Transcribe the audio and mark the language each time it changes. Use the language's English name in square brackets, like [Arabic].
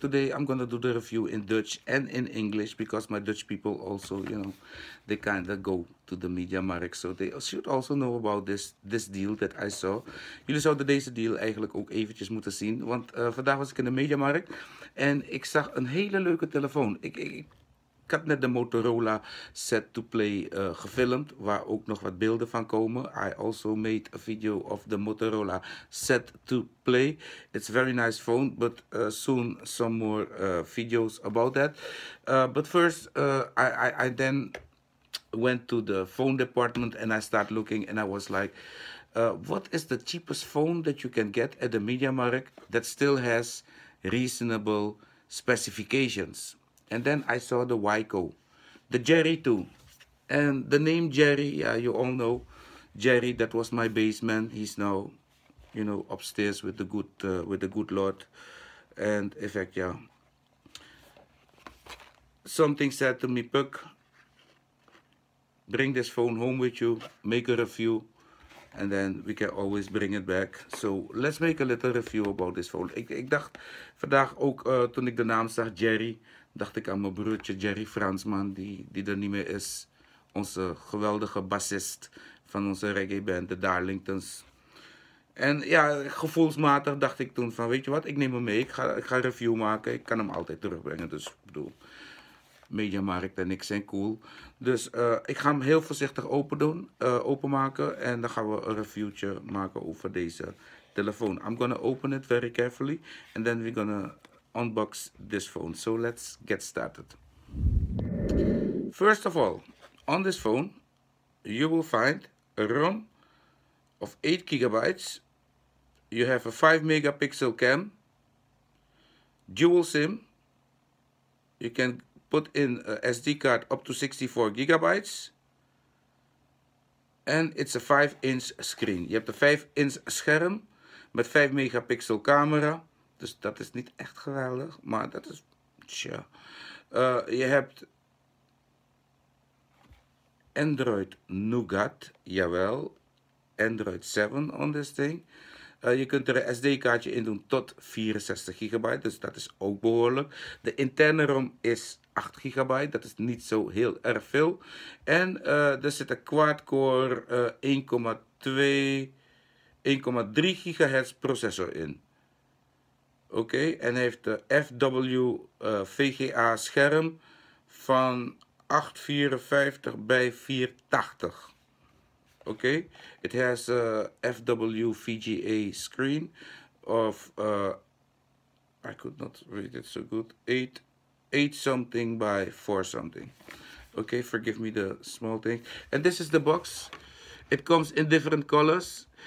[English] Today I'm gonna do the review in Dutch and in English because my Dutch people also, you know, they kind of go to the Mediamarkt. So they should also know about this deal that I saw. [Dutch] Jullie zouden deze deal eigenlijk ook eventjes moeten zien, want vandaag was ik in de Mediamarkt en ik zag een hele leuke telefoon. Ik had net de Motorola set to play gefilmd, waar ook nog wat beelden van komen. [English] I also made a video of the Motorola set to play. It's a very nice phone, but soon some more videos about that. But first, I then went to the phone department and I start looking and I was like, what is the cheapest phone that you can get at the Mediamarkt that still has reasonable specifications? And then I saw the Wiko, the Jerry 2. And the name Jerry, yeah, you all know Jerry, that was my basement. He's now, you know, upstairs with the good Lord. And in fact, yeah, something said to me, Puck, bring this phone home with you, make a review, and then we can always bring it back. So let's make a little review about this phone. [Dutch] Ik dacht vandaag ook, toen ik de naam zag, Jerry, dacht ik aan mijn broertje Jerry Fransman, die er niet meer is. Onze geweldige bassist van onze reggae band, de Darlingtons. En ja, gevoelsmatig dacht ik toen van, weet je wat, ik neem hem mee. Ik ga een review maken, ik kan hem altijd terugbrengen. Dus ik bedoel, Mediamarkt en ik zijn cool. Dus ik ga hem heel voorzichtig openmaken. En dan gaan we een reviewtje maken over deze telefoon. [English] I'm gonna open it very carefully. And then we're gonna unbox this phone. So let's get started. First of all, on this phone you will find a ROM of 8 gigabytes. You have a 5 megapixel cam, dual SIM, you can put in a SD card up to 64 gigabytes, and it's a 5 inch screen. You have the 5 inch [Dutch] scherm met [English] 5 megapixel camera. [Dutch] Dus dat is niet echt geweldig, maar dat is, tja. Je hebt Android Nougat, jawel. Android 7 [English] on this thing. [Dutch] Je kunt er een SD-kaartje in doen tot 64 gigabyte, dus dat is ook behoorlijk. De interne ROM is 8 gigabyte, dat is niet zo heel erg veel. En er zit een quad-core 1,3 gigahertz processor in. Oké, en heeft de FW-VGA scherm van 854 bij 480. [English] Oké, it has a FW-VGA screen of, I could not read it so good, 8 something by 4 something. Oké, forgive me the small thing. And this is the box. It comes in different colors.